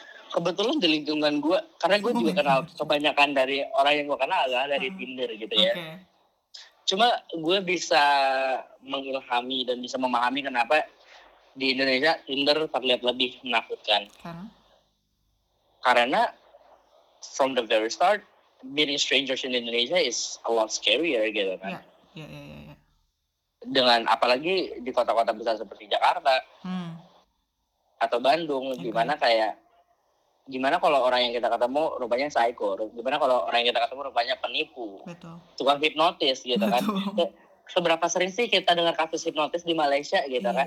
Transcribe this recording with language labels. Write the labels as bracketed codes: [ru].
[id] Kebetulan di lingkungan gue, karena gue juga kenal kebanyakan dari orang yang gue kenal adalah dari Tinder gitu ya. Cuma gue bisa mengilhami dan bisa memahami kenapa di Indonesia Tinder terlihat lebih menakutkan. Karena [en] from the very start, meeting strangers in Indonesia is a lot scarier [id] gitu kan. Dengan apalagi di kota-kota besar seperti Jakarta atau Bandung, dimana kayak gimana kalau orang yang kita ketemu rupanya psycho? Gimana kalau orang yang kita ketemu rupanya penipu? Betul. Tukang hipnotis gitu. Betul. Kan. Seberapa sering sih kita dengar kasus hipnotis di Malaysia gitu kan?